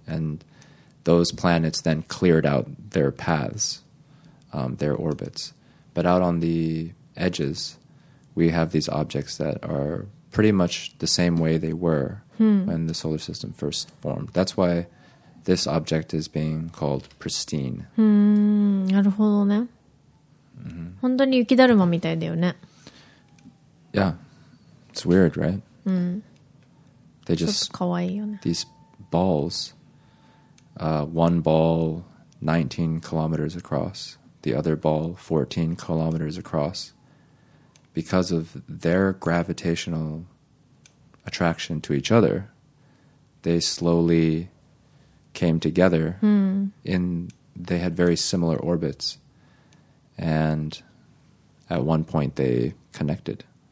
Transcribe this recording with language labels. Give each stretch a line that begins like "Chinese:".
English: And those planets then cleared out their paths, their orbits. But out on the edges, we have these objects that are pretty much the same way they were when the solar system first formed. That's why this object is being called pristine.
Japanese: なるほどね。本当に雪だるまみたいだよね。
English: Yeah. It's weird, right?
Japanese: うん。
English: They just,
Japanese: ちょっとかわいいよね。
English: These balls, one ball 19 kilometers across, the other ball 14 kilometers across, because of their gravitational attraction to each other, they slowly came together, they had very similar orbits, and at one point they connected.